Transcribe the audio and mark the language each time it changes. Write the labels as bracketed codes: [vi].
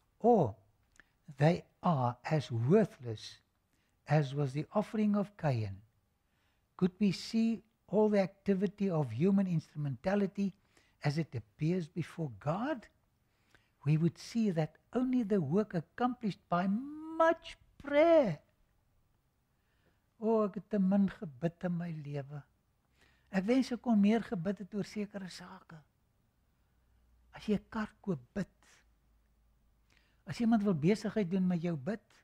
[en] Or, they are as worthless as was the offering of Cain. Could we see all the activity of human instrumentality as it appears before God? We would see that only the work accomplished by much prayer. [af] O, ek het te min gebid in my lewe. Ek wens ek kon meer gebid het oor sekere sake. As jy 'n kar koop, bid. As iemand wil besigheid doen met jou, bid.